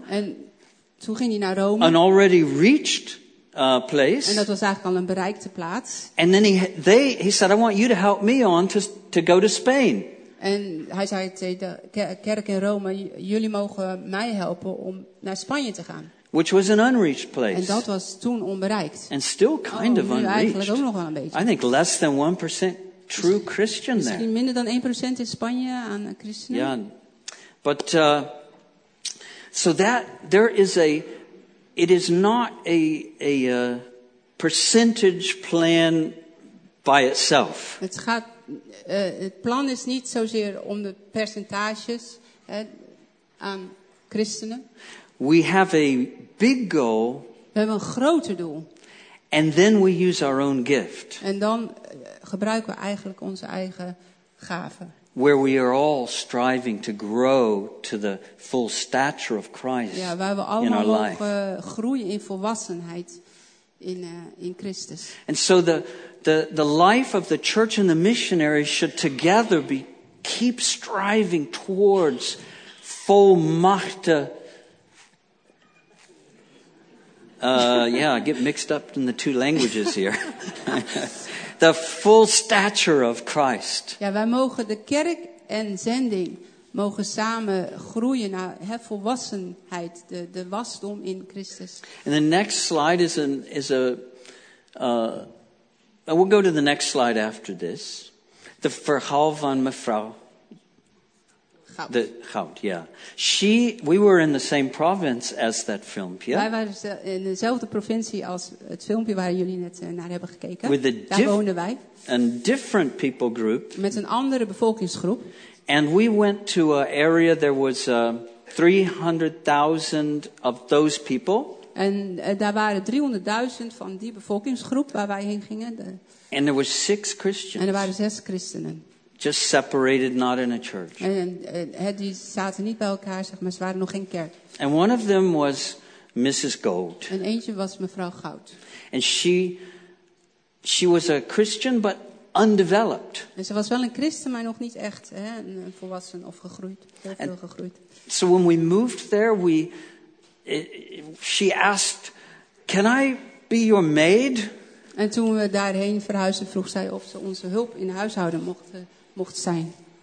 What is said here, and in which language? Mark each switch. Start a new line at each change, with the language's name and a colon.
Dutch: En toen ging hij naar Rome.
English: An already reached place.
Dutch: En dat was eigenlijk al een bereikte plaats.
English: And then he said, I want you to help me on to go to Spain.
Dutch: En hij zei tegen de kerk in Rome, jullie mogen mij helpen om naar Spanje te gaan.
English: Which was an unreached place.
Dutch: En dat was toen onbereikt.
English: And still kind of unreached.
Dutch: Eigenlijk ook nog wel een beetje.
English: I think less than 1% true Christian there.
Dutch: Misschien minder dan 1% in Spanje aan christenen.
English: Yeah. But so that there is a, it is not a percentage plan by itself.
Dutch: Het gaat, het plan is niet zozeer om de percentages aan christenen.
English: We have a big goal.
Dutch: We hebben een groter doel.
English: And then we use our own gift.
Dutch: En dan gebruiken we eigenlijk onze eigen gaven.
English: Where we are all striving to grow to the full stature of Christ.
Dutch: Ja, waar we allemaal mogen groeien in volwassenheid in Christus.
English: And so the life of the church and the missionaries should together be keep striving towards volmachte. I get mixed up in the two languages here. The full stature of Christ.
Dutch: Ja, wij mogen de kerk en zending mogen samen groeien naar volwassenheid, de wasdom in Christus.
English: And the next slide is we'll go to the next slide after this.
Dutch: The verhaal van mevrouw. Goud.
English: The Goud, yeah. She, we were in the same province as that filmpje.
Dutch: Wij waren in dezelfde provincie als het filmpje waar jullie net naar hebben gekeken.
English: With a
Dutch: daar woonden wij.
English: And different people group.
Dutch: Met een andere bevolkingsgroep.
English: And we went to an area, there was 300,000 of those people.
Dutch: En daar waren 300,000 van die bevolkingsgroep waar wij heen gingen.
English: And there were 6 Christians.
Dutch: En er waren 6 christenen.
English: Just separated, not in a church.
Dutch: En die zaten niet bij elkaar, zeg maar, ze waren nog geen kerk.
English: And one of them was Mrs. Gold.
Dutch: En eentje was mevrouw Goud.
English: And she was a Christian, but undeveloped.
Dutch: En ze was wel een christen, maar nog niet echt een volwassen of gegroeid. Heel veel gegroeid.
English: So when we moved there, she asked, can I be your maid?
Dutch: En toen we daarheen verhuisden, vroeg zij of ze onze hulp in huishouden mocht zijn.